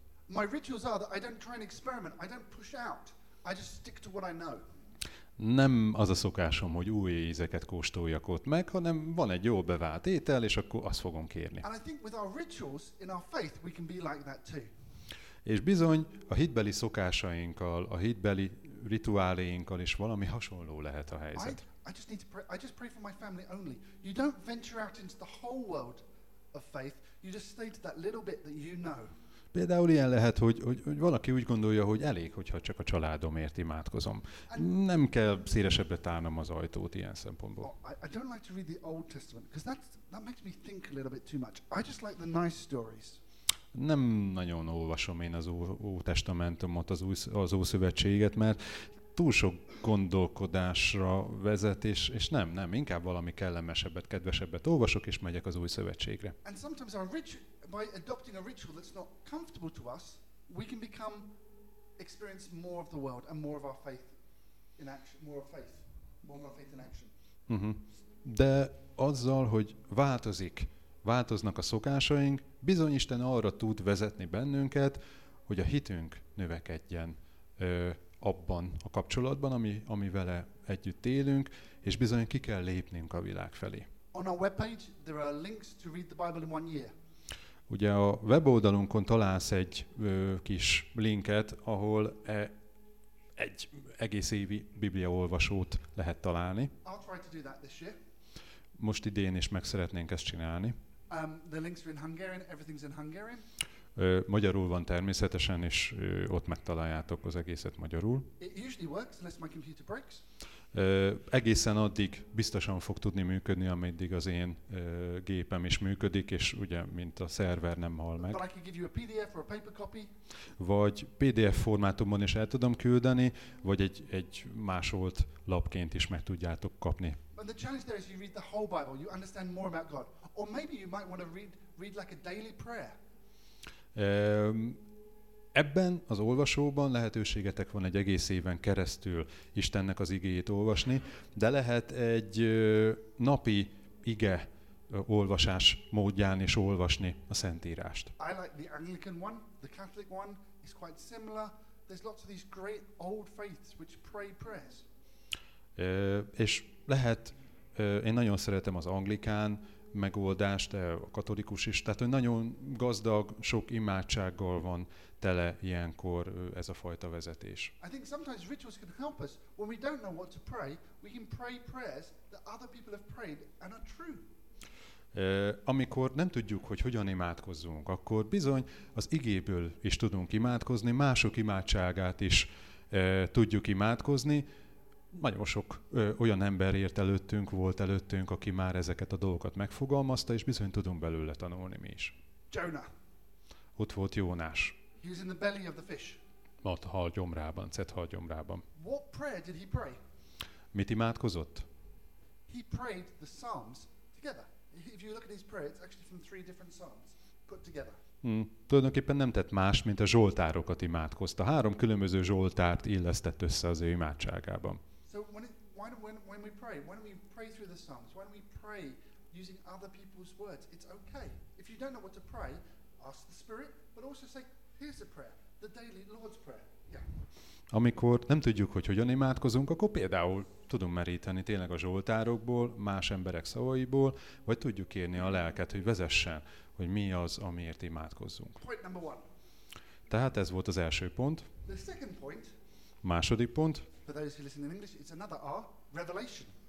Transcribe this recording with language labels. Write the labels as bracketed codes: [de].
[en] My rituals are that I don't try and experiment, I don't push out, I just stick to what I know. [hu] Nem az a szokásom, hogy új ízeket kóstoljak ott meg, hanem van egy jól bevált étel, és akkor azt fogom kérni. [en] And I think with our rituals in our faith we can be like that too. [hu] És bizony a hitbeli szokásainkkal, a hitbeli rituáléinkkal is valami hasonló lehet a helyzet. [en] I just pray for my family only. You don't venture out into the whole world of faith, you just stay to that little bit that you know. [hu] Például ilyen lehet, hogy valaki úgy gondolja, hogy elég, hogyha csak a családomért imádkozom. Nem kell szélesebbre tárnom az ajtót ilyen szempontból. [en] I don't like to read the Old Testament, because that makes me think a little bit too much. I just like the nice stories. [hu] Nem nagyon olvasom én az Ótestamentumot, az Ószövetséget, mert túl sok gondolkodásra vezet, és nem, inkább valami kellemesebbet, kedvesebbet olvasok, és megyek az Újszövetségre. [en] And sometimes our ritual, by adopting a ritual that's not comfortable to us, we can become experience more of the world and more of our faith in action, more of our faith in action. Uh-huh. [hu] De azzal, hogy változnak a szokásaink, bizony Isten arra tud vezetni bennünket, hogy a hitünk növekedjen abban a kapcsolatban, ami vele együtt élünk, és bizony ki kell lépnünk a világ felé. [en] On our webpage there are links to read the Bible in one year. [hu] Ugye a weboldalunkon találsz egy kis linket, ahol egy egész évi bibliaolvasót lehet találni. [en] I'll try to do that this year. [hu] most idén is meg szeretnénk ezt csinálni. [en] The links are in Hungarian, everything's in Hungarian. [hu] Magyarul van természetesen, és ott megtaláljátok az egészet magyarul. [en] It usually works unless my computer breaks. [hu] Egészen addig biztosan fog tudni működni, ameddig az én gépem is működik, és ugye, mint a szerver nem hal meg. [en] But I can give you a PDF or a paper copy. [hu] Vagy PDF formátumban is el tudom küldeni, vagy egy másolt lapként is meg tudjátok kapni. [en] But the challenge there is you read the whole Bible, you understand more about God. Or maybe you might want to read like a daily prayer. [hu] Ebben az olvasóban lehetőségetek van egy egész éven keresztül Istennek az igéjét olvasni, de lehet egy napi ige olvasás módján is olvasni a Szentírást. [en] I like the Anglican one, the Catholic one is quite similar. There's lots of these great old faiths which pray prayers. [hu] És lehet, én nagyon szeretem az anglikán megoldást, a katolikus is, tehát nagyon gazdag, sok imádsággal van tele ilyenkor ez a fajta vezetés. [en] I think sometimes rituals can help us when we don't know what to pray, we can pray prayers that other people have prayed and are true. [hu] Amikor nem tudjuk, hogy hogyan imádkozzunk, akkor bizony az igéből is tudunk imádkozni, mások imádságát is tudjuk imádkozni. Nagyon sok olyan ember ért előttünk, volt előttünk, aki már ezeket a dolgokat megfogalmazta, és bizony tudunk belőle tanulni mi is. [en] Jonah. [hu] Ott volt Jónás. [en] He was in the belly of the fish. [hu] Ott a hal gyomrában, cet hal gyomrában. [en] What prayer did he pray? [hu] Mit imádkozott? [en] He prayed the Psalms together. If you look at his prayer, it's actually from three different Psalms put together. [hu] Tulajdonképpen nem tett más, mint a zsoltárokat imádkozta. Három különböző zsoltárt illesztett össze az ő imádságában. [en] So when we pray, when we pray through the Psalms, when we pray using other people's words, it's okay. If you don't know what to pray, ask the Spirit, but also say, here's a prayer, the daily Lord's prayer. Yeah. [hu] Amikor nem tudjuk, hogy hogyan imádkozunk, akkor például tudunk meríteni tényleg a zsoltárokból, más emberek szavaiból, vagy tudjuk kérni a lelket, hogy vezessen, hogy mi az, amiért imádkozzunk. [en] Point number one. [hu] Tehát ez volt az első pont. [en] The second point, [hu] második pont. [en] For those who listen in English, it's another R, revelation.